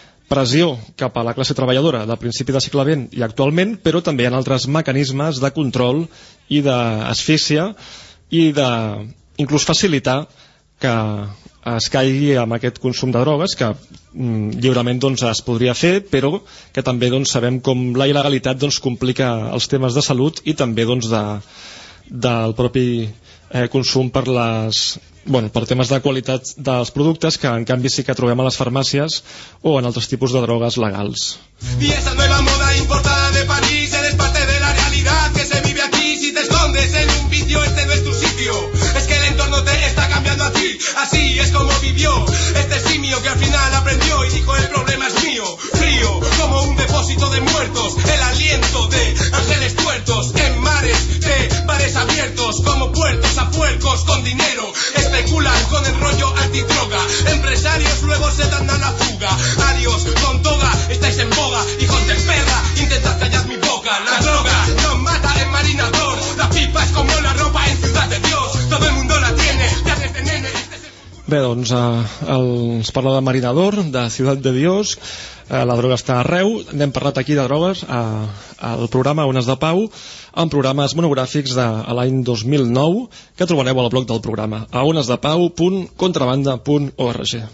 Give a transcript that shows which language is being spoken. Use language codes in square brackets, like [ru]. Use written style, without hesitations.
[ca] pressió cap a la classe treballadora del principi de segle XX i actualment, però també hi ha altres mecanismes de control i d'asfíxia i de inclús facilitar que es caigui amb aquest consum de drogues, que lliurement doncs, es podria fer, però que també doncs, sabem com la il·legalitat doncs, complica els temes de salut i també doncs, del propi consum per les, bueno, per temes de qualitat dels productes, que en canvi sí que trobem a les farmàcies o en altres tipus de drogues legals. [es] Y esa nueva moda importada de París, eres parte de la realidad que se vive aquí. Si te escondes en un vicio, este no es tu sitio. Es que el entorno te está cambiando a ti. Así es como vivió este simio que al final aprendió y dijo: el problema es mío. Frío como un depósito de muertos, el aliento de ángeles tuertos en mares de bares abiertos, como puertos a puercos con dinero. Especulan con el rollo antidroga, empresarios luego se dan a la fuga. Adiós con toga, estáis en boga, hijos de perra, intentad callar mi boca. La droga no mata en Marina 2, la pipa es como la ropa en Ciudad de Dios. Todo el mundo la tiene, ya desde nene. [ca] Bé, doncs, ens parla de Marina d'Or, de Ciutat de Dios, la droga està arreu. N'hem parlat aquí de drogues al programa Ones de Pau, en programes monogràfics de l'any 2009, que trobareu al blog del programa, a onesdepau.contrabanda.org.